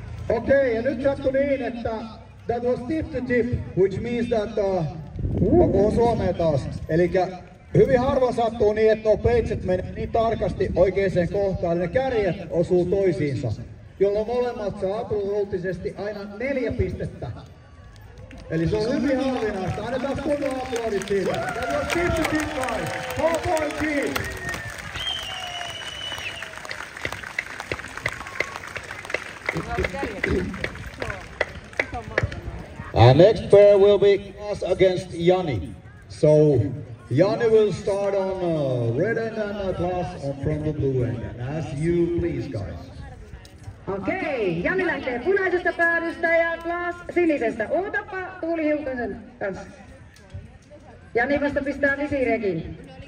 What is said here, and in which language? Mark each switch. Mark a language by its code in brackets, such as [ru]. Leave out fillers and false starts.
[en] Okay, and it happened [fi] niin, että [en] that was tip to tip, which means that [fi] on Suomeen taas. Elikkä hyvin harvoin sattuu niin, että nuo peitset menee niin tarkasti oikeaan kohtaan, eli ne kärjet osuu toisiinsa, jolloin molemmat saa absoluuttisesti aina 4 pistettä. Eli se on hyvin harvinaista. Annetaan kunnon aplodit siitä. [en] That was tip to tip, guys. 4 points. Our next pair will be Klaas against Jani. So Jani will start on red end and Klaas from the blue end. As you please, guys. [fi] Okei, Jani lähtee punaisesta päädystä ja Klaas sinisestä. Ootapa Tuuli Hiukkasen kanssa. Jani vasta pistää visiirekin.